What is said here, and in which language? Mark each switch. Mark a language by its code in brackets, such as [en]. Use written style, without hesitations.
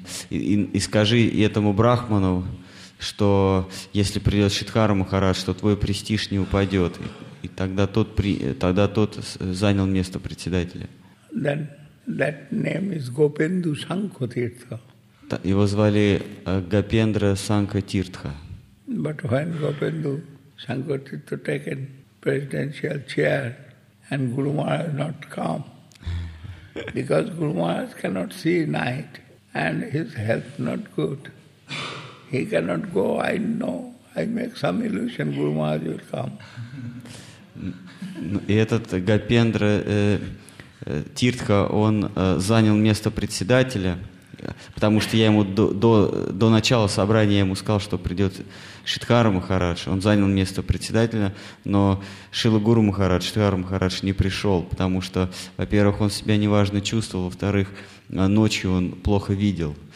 [ru] И скажи этому брахману, что если придет Шридхара Махарадж, то твой престиж не упадет. И тогда тот занял место председателя. [en] Then that name is Gopendu Sankho Tirtha. [ru] Его звали Гопендра Санка Тиртха. [en] But when Gopendu Sankho Tirtha taken presidential chair and Guru Maharaj not come, because Guru Maharaj cannot see night and his health not good, he cannot go. I know. I make some illusion. Guru Maharaj will come. [ru] И этот Гопендра Тиртха, он занял место председателя, потому что я ему до начала собрания я ему сказал, что придет Шридхара Махарадж. Он занял место председателя, но Шрила Гуру Махарадж, Шридхара Махарадж не пришел, потому что, во-первых, он себя неважно чувствовал, во-вторых, ночью он плохо видел.